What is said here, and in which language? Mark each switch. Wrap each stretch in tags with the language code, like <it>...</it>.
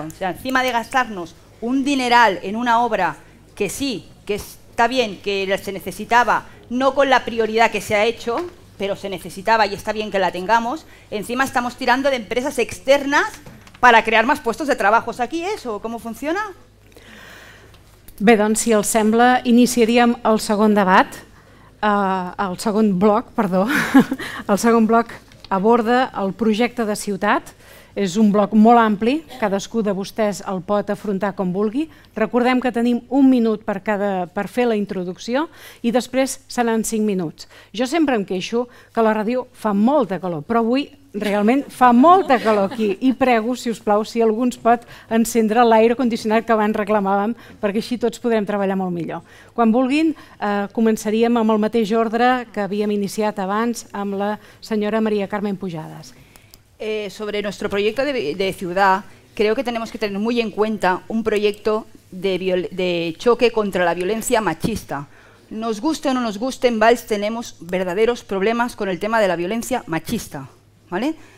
<es>O sea, encima de gastarnos un dineral en una obra que sí, que está bien, que se necesitaba, no con la prioridad que se ha hecho, pero se necesitaba y está bien que la tengamos, encima estamos tirando de empresas externas para crear más puestos de trabajo. ¿Aquí es o cómo funciona?</es> <ca>Bé, doncs, si els sembla, iniciaríem el segon debat, el segon bloc, perdó. El segon bloc aborda el projecte de ciutat. És un bloc molt ampli, cadascú de vostès el pot afrontar com vulgui. Recordem que tenim un minut per fer la introducció i després seran 5 minuts. Jo sempre em queixo que la ràdio fa molta calor, però avui realment fa molta calor aquí i prego, si us plau, si algú ens pot encendre l'aire condicionat que abans reclamàvem, perquè així tots podrem treballar molt millor. Quan vulguin, començaríem amb el mateix ordre que havíem iniciat abans amb la senyora Maria Carmen Pujadas.</ca> <es>Sobre nuestro proyecto de ciudad, creo que tenemos que tener muy en cuenta un proyecto de choque contra la violencia machista. Nos guste o no nos guste, en Valls tenemos verdaderos problemas con el tema de la violencia machista, ¿vale?</es>